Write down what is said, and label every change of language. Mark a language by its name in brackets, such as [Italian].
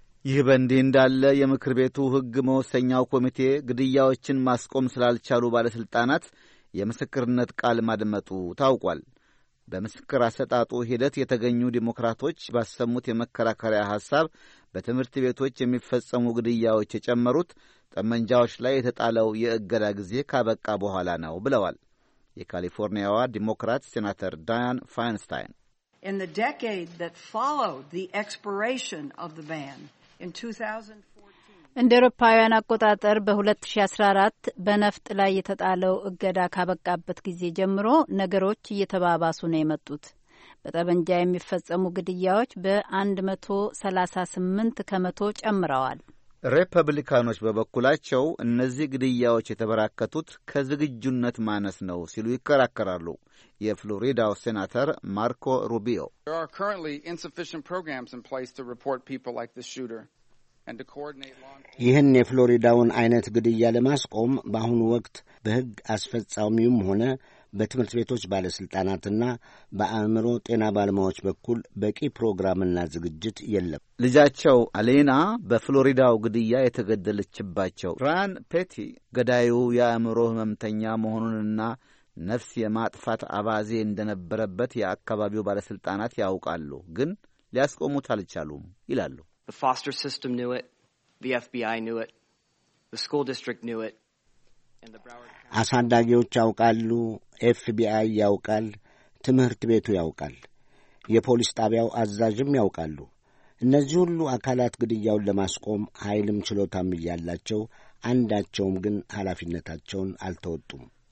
[Amharic] ይህ በእንዲህ እንዳለ የምክር ቤቱ ሕግ መወሰኛው ኮሚቴ ግድያዎችን ማስቆም ስላልቻሉ ባለሥልጣናት የምስክርነት ቃል ማድመጡ ታውቋል። በምስክር አሰጣጡ ሂደት የተገኙ ዲሞክራቶች ባሰሙት የመከራከሪያ ሐሳብ በትምህርት ቤቶች የሚፈጸሙ ግድያዎች የጨመሩት ጠመንጃዎች ላይ የተጣለው የእገዳ ጊዜ ካበቃ በኋላ ነው ብለዋል። የካሊፎርኒያዋ ዲሞክራት ሴናተር ዳያን ፋይንስታይን [English] In the decade that followed the expiration of the ban in 2014 [Amharic] እንደ አውሮፓውያን አቆጣጠር በ2014 በነፍጥ ላይ የተጣለው እገዳ ካበቃበት ጊዜ ጀምሮ ነገሮች እየተባባሱ ነው የመጡት። በጠመንጃ የሚፈጸሙ ግድያዎች በ138 ከመቶ ጨምረዋል። ሪፐብሊካኖች በበኩላቸው እነዚህ ግድያዎች የተበራከቱት ከዝግጁነት ማነስ ነው ሲሉ ይከራከራሉ። የፍሎሪዳው ሴናተር ማርኮ ሩቢዮ [English] There are currently insufficient programs in place to report people like this shooter and to coordinate law enforcement. [Amharic] ይህን የፍሎሪዳውን አይነት ግድያ ለማስቆም በአሁኑ ወቅት በሕግ አስፈጻሚውም ሆነ በትምህርት ቤቶች ባለሥልጣናትና በአእምሮ ጤና ባለሙያዎች በኩል በቂ ፕሮግራምና ዝግጅት የለም። ልጃቸው አሌና በፍሎሪዳው ግድያ የተገደለችባቸው ራን ፔቲ ገዳዩ የአእምሮ ሕመምተኛ መሆኑንና ነፍስ የማጥፋት አባዜ እንደነበረበት የአካባቢው ባለሥልጣናት ያውቃሉ፣ ግን ሊያስቆሙት አልቻሉም ይላሉ። [English] The foster system knew it. The FBI knew it. The school district knew it. [Amharic] አሳዳጊዎች ያውቃሉ፣ ኤፍቢአይ ያውቃል፣ ትምህርት ቤቱ ያውቃል፣ የፖሊስ ጣቢያው አዛዥም ያውቃሉ። እነዚህ ሁሉ አካላት ግድያውን ለማስቆም ኃይልም ችሎታም እያላቸው አንዳቸውም ግን ኃላፊነታቸውን አልተወጡም።